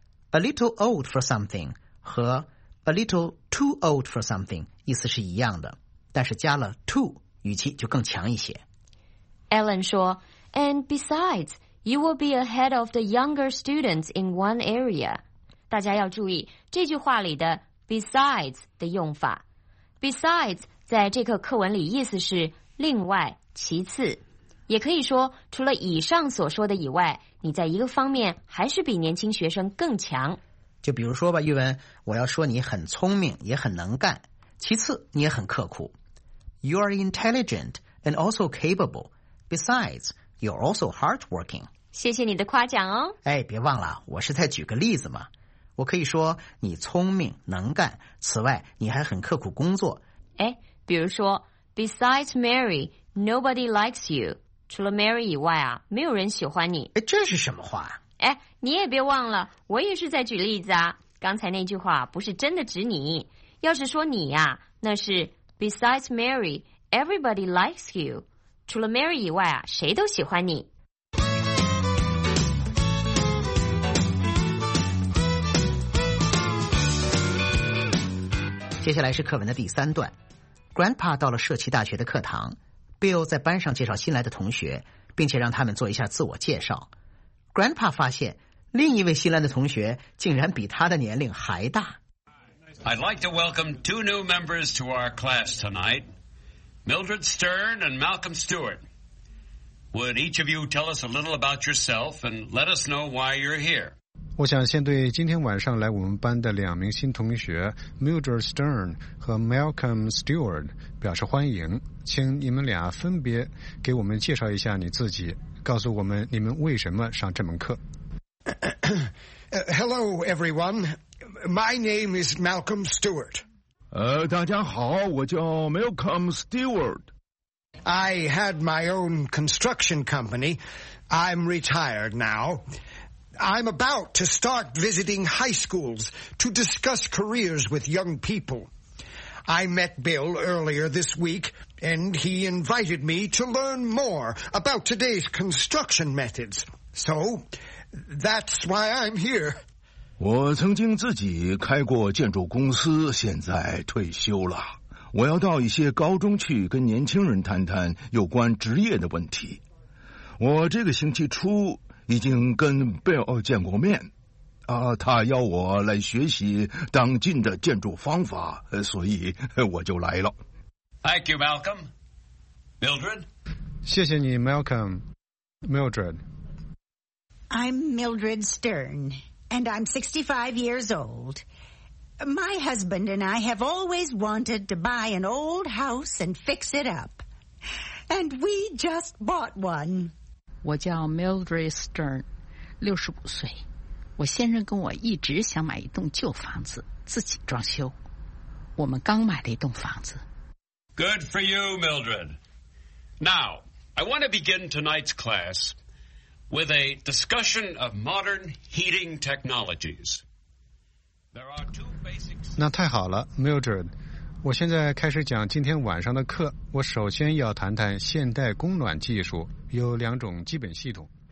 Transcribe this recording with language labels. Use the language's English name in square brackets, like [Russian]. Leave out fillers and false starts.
[English] A little old for something [Chinese] 和 [English] a little too old for something [Chinese] 意思是一样的，但是加了 too 语气就更强一些。 [English] Ellen [Chinese] 说 [English] And besides, you will be ahead of the younger students in one area. [Chinese] 大家要注意这句话里的 besides 的用法。 besides 在这课课文里意思是另外、其次。也可以说除了以上所说的以外，你在一个方面还是比年轻学生更强。就比如说吧，玉文，我要说你很聪明也很能干，其次你也很刻苦。 [English] You are intelligent and also capable. Besides,You're also hardworking. [Chinese] 谢谢你的夸奖哦。哎，别忘了，我是在举个例子嘛。我可以说你聪明、能干，此外你还很刻苦工作。哎，比如说 [English] ,besides Mary, nobody likes you. [Chinese] 除了 Mary 以外啊，没有人喜欢你。哎，这是什么话？哎，你也别忘了，我也是在举例子啊。刚才那句话不是真的指你。要是说你呀，那是 , [English] besides Mary, everybody likes you. [Chinese] 除了 Mary 以外啊，谁都喜欢你。接下来是课文的第三段。Grandpa 到了社区大学的课堂， Bill 在班上介绍新来的同学，并且让他们做一下自我介绍。 Grandpa 发现另一位新来的同学竟然比他的年龄还大。 [English] I'd like to welcome two new members to our class tonight. Mildred Stern and Malcolm Stewart. Would each of you tell us a little about yourself and let us know why you're here? 我想先对今天晚上来我们班的两名新同学 Mildred Stern 和 Malcolm Stewart 表示欢迎，请你们俩分别给我们介绍一下你自己，告诉我们你们为什么上这门课。 Hello, everyone. My name is Malcolm Stewart. 大家好，我叫 Malcolm Stewart. I had my own construction company. I'm retired now. I'm about to start visiting high schools to discuss careers with young people. I met Bill earlier this week, and he invited me to learn more about today's construction methods. So, that's why I'm here. [Chinese] 我曾经自己开过建筑公司，现在退休了。我要到一些高中去跟年轻人谈谈有关职业的问题。我这个星期初已经跟 Bill 见过面，他要我来学习当今的建筑方法，所以我就来了。 [English] Thank you, Malcolm. Mildred? [Chinese] 谢谢你 ,Malcolm. Mildred. [English] I'm Mildred Stern. And I'm 65 years old. My husband and I have always wanted to buy an old house and fix it up. And we just bought one. [Chinese] 我叫 Mildred Stern， 65岁。我先生跟我一直想买一栋旧房子，自己装修。我们刚买了一栋房子。 [English] Good for you, Mildred. Now, I want to begin tonight's class with a discussion of modern heating technologies. There are two basic. [Chinese] 那太好了 ，Mildred。我现在开始讲今天晚上的课，我首先要谈谈现代供暖技术，有两种基本系统。